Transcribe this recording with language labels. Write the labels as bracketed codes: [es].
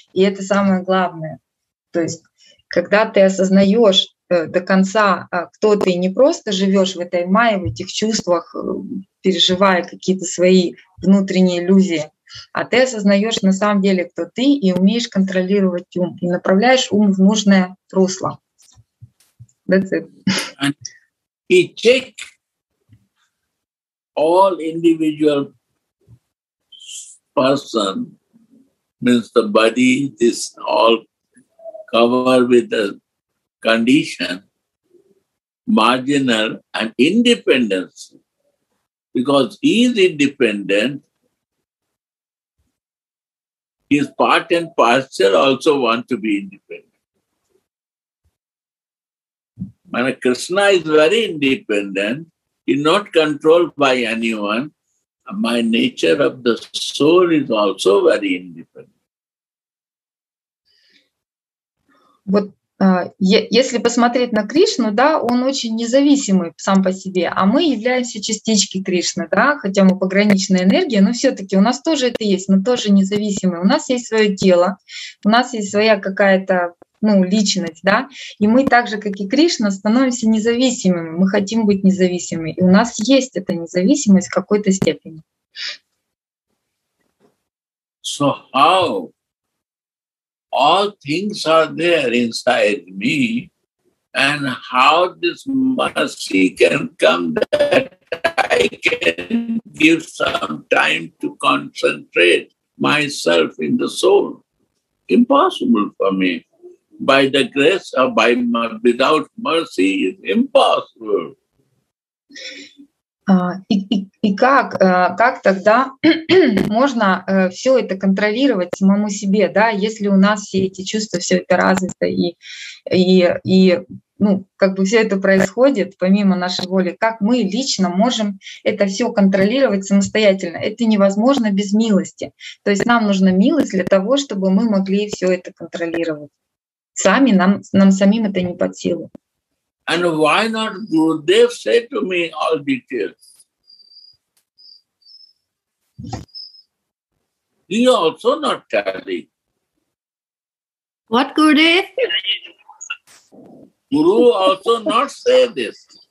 [ru] И это самое главное. То есть, когда ты осознаешь до конца, кто ты, не просто живешь в этой мае, в этих чувствах, переживая какие-то свои внутренние иллюзии, а ты осознаешь на самом деле, кто ты, и умеешь контролировать ум, и направляешь ум в нужное русло. [en] That's it. И check all individual person means the body, this all covered with the condition, marginal and independence. Because he is independent, his part and parcel also want to be independent. And Krishna is very independent. He's not controlled by anyone. My nature of the soul is also very independent. [ru] Вот если посмотреть на Кришну, да, он очень независимый сам по себе, а мы являемся частички Кришны, да, хотя мы пограничная энергия, но все-таки у нас тоже это есть, мы тоже независимые. У нас есть свое тело, у нас есть своя какая-то, ну, личность, да, и мы так же, как и Кришна, становимся независимыми, мы хотим быть независимыми, и у нас есть эта независимость в какой-то степени. [en] So how all things are there inside me, and how this mercy can come that I can give some time to concentrate myself in the soul? Impossible for me. By the grace or by without mercy is impossible. [ru] И как тогда можно все это контролировать самому себе, да, если у нас все эти чувства, все это развито и ну, как бы все это происходит помимо нашей воли, как мы лично можем это все контролировать самостоятельно? Это невозможно без милости. То есть нам нужна милость для того, чтобы мы могли все это контролировать. Сами нам самим это не под силу. [en] And why not Gurudev say to me all details? He also not telling. What Gurudev? Guru also not say this.